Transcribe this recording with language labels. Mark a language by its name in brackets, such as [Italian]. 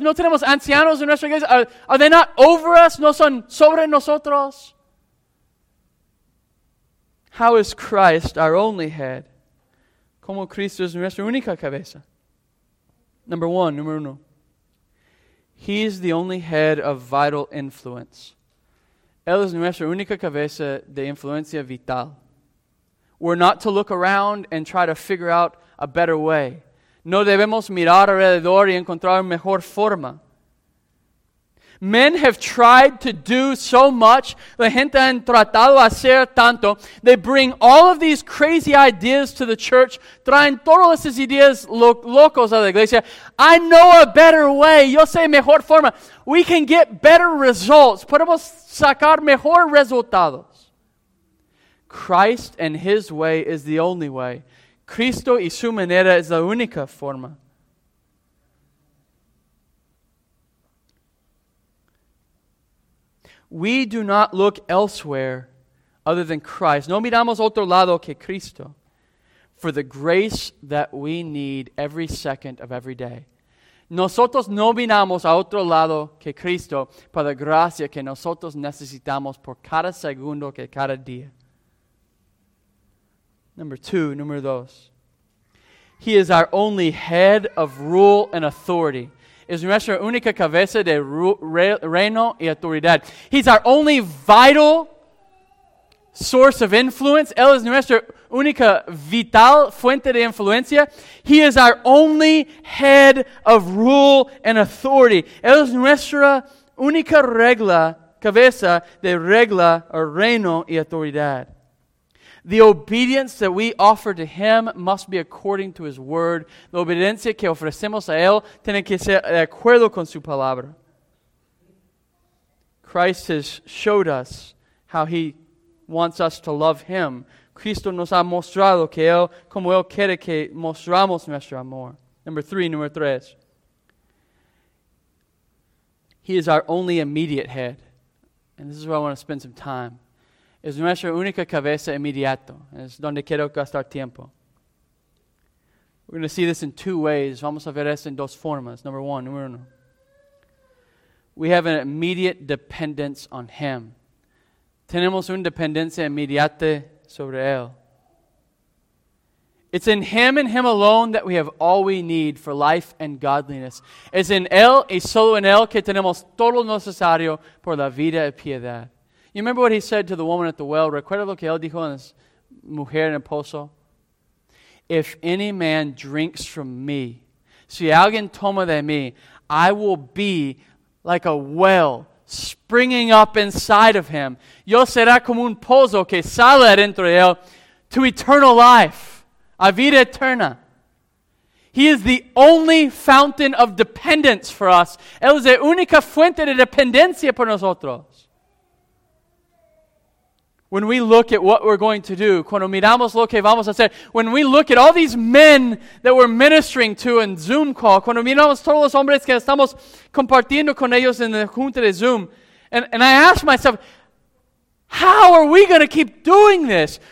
[Spanish] ¿No tenemos ancianos en nuestra iglesia? [English] Are they not over us? [Spanish] ¿No son sobre nosotros? [English] How is Christ our only head? [Spanish] ¿Cómo Cristo es nuestra única cabeza? Número uno. [English] He is the only head of vital influence. [Spanish] Él es nuestra única cabeza de influencia vital. [English] We're not to look around and try to figure out a better way. [Spanish] No debemos mirar alrededor y encontrar mejor forma. [English] Men have tried to do so much. [Spanish] La gente han tratado hacer tanto. [English] They bring all of these crazy ideas to the church. [Spanish] Traen todas esas ideas locos a la iglesia. [English] I know a better way. [Spanish] Yo sé mejor forma. [English] We can get better results. [Spanish] Podemos sacar mejor resultados. [English] Christ and His way is the only way. [Spanish] Cristo y su manera es la única forma. [English] We do not look elsewhere other than Christ. [Spanish] No miramos otro lado que Cristo [English] for the grace that we need every second of every day. [Spanish] Nosotros no miramos a otro lado que Cristo para la gracia que nosotros necesitamos por cada segundo que cada día. Número dos. [English] He is our only head of rule and authority. [Spanish] Es nuestra única cabeza de reino y autoridad. [English] He's our only vital source of influence. [Spanish] Él es nuestra única vital fuente de influencia. [English] He is our only head of rule and authority. [Spanish] Él es nuestra única regla, cabeza de regla o reino y autoridad. [English] The obedience that we offer to Him must be according to His word. [Spanish] La obediencia que ofrecemos a Él tiene que ser de acuerdo con su palabra. [English] Christ has showed us how He wants us to love Him. [Spanish] Cristo nos ha mostrado que Él, como Él quiere que mostramos nuestro amor. Número tres. [English] He is our only immediate head. And this is where I want to spend some time. [Spanish] Es nuestra única cabeza inmediato. Es donde quiero gastar tiempo. [English] We're going to see this in two ways. [Spanish] Vamos a ver esto en dos formas. Número uno. [English] We have an immediate dependence on Him. [Spanish] Tenemos una dependencia inmediata sobre Él. [English] It's in Him and Him alone that we have all we need for life and godliness. [Spanish] Es en Él y solo en Él que tenemos todo lo necesario por la vida y piedad. [English] You remember what He said to the woman at the well? [Spanish] Recuerda lo que Él dijo a la mujer en el pozo? [English] If any man drinks from me, [Spanish] si alguien toma de mí, [English] I will be like a well springing up inside of him. [Spanish] Yo será como un pozo que sale adentro de Él [English] to eternal life, [Spanish] a vida eterna. [English] He is the only fountain of dependence for us. [Spanish] Él es la única fuente de dependencia por nosotros. [English] When we look at what we're going to do, [Spanish] cuando miramos lo que vamos a hacer, [English] when we look at all these men that we're ministering to in Zoom call, [Spanish] cuando miramos todos los hombres que estamos compartiendo con ellos en la junta de Zoom, [English] and I ask myself, how are we going to keep doing this?